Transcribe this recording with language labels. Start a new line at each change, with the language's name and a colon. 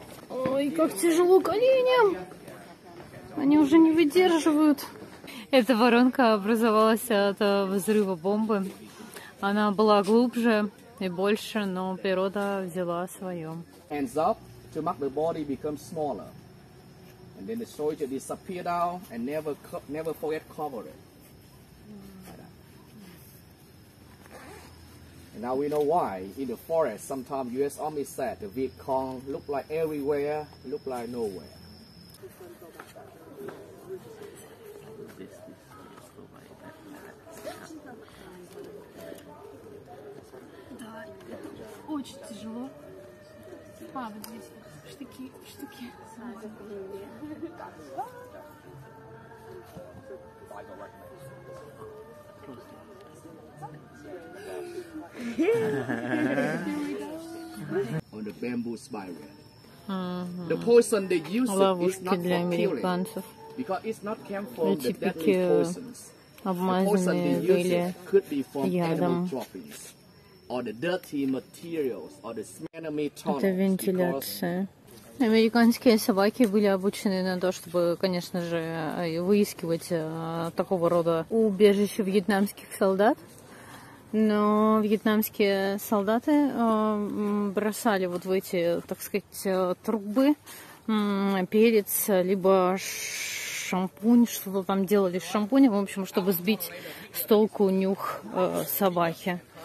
Russian: Ой, как тяжело коленям! Они уже не выдерживают. Эта воронка образовалась от взрыва бомбы. Она была глубже и больше, но природа взяла свое.
English: Hands up to make the body become smaller. And then the soldier disappeared out and never forget cover it. And now we know why. In the forest, sometimes US Army said the Viet Cong look like everywhere, look like nowhere.
Russian: Очень тяжело. А, вот здесь штыки, штыки.
English: On the bamboo spiral. The poison they use is not for killing. Because it's not came from the deadly poisons. The poison they use could be from animal droppings. or the dirty materials or the smelly
Russian: tunnels. Это вентиляция. Американские собаки были обучены на то, чтобы, конечно же, выискивать такого рода убежище вьетнамских солдат. Но вьетнамские солдаты бросали вот в эти, так сказать, трубы перец, либо шампунь, что-то там делали с шампунем, в общем, чтобы сбить с толку нюх собаки.